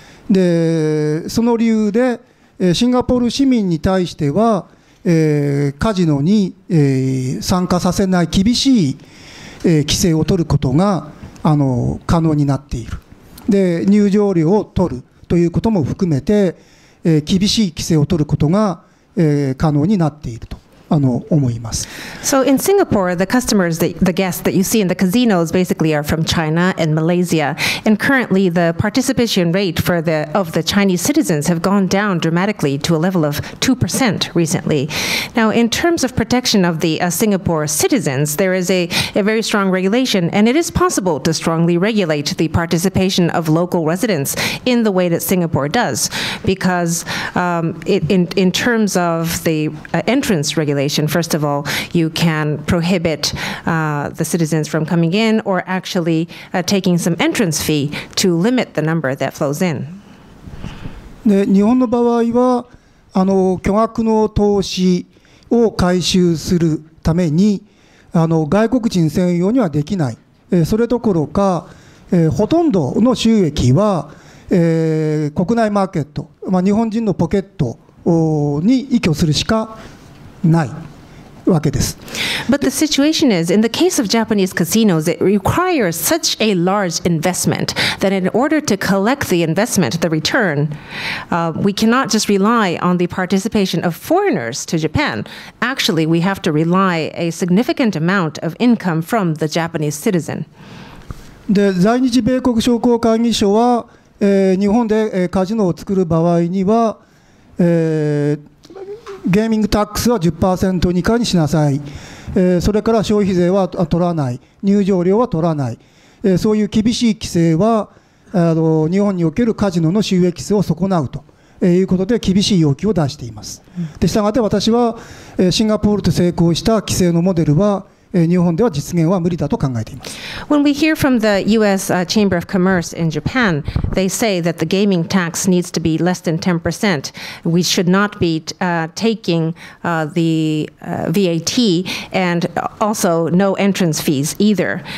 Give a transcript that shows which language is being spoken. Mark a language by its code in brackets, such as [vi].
[ja] でその理由で、シンガポール市民に対しては、カジノに、参加させない厳しい、規制を取ることが可能になっている。で入場料を取るということも含めて、厳しい規制を取ることが、可能になっていると思います。 [en] So in Singapore, the customers, the guests that you see in the casinos basically are from China and Malaysia. And currently, the participation rate for the, of the Chinese citizens have gone down dramatically to a level of 2% recently. Now, in terms of protection of the Singapore citizens, there is a very strong regulation, and it is possible to strongly regulate the participation of local residents in the way that Singapore does, because in terms of the entrance regulation, first of all, you can prohibit the citizens from coming in or actually taking some entrance fee to limit the number that flows in. [ja] で、日本の場合は、巨額の投資を回収するために、外国人専用にはできない。それどころか、ほとんどの収益は、国内マーケット、まあ、日本人のポケットに依拠するしかないわけです。 [en] But the situation is, in the case of Japanese casinos, it requires such a large investment that in order to collect the investment, the return, we cannot just rely on the participation of foreigners to Japan. Actually, we have to rely a significant amount of income from the Japanese citizen. [ja] で、在日米国商工会議所は、日本で、カジノを作る場合には、ゲーミングタックスは 10% 以下にしなさい、それから消費税は取らない、入場料は取らない、そういう厳しい規制は日本におけるカジノの収益数を損なうということで厳しい要求を出しています。で、したがって私は、シンガポールと成功した規制のモデルは日本では実現は無理だと考えています。 [en] When we hear from the U.S. Chamber of Commerce in Japan, they say that the gaming tax needs to be less than 10%. We should not be taking the VAT and also no entrance fees either.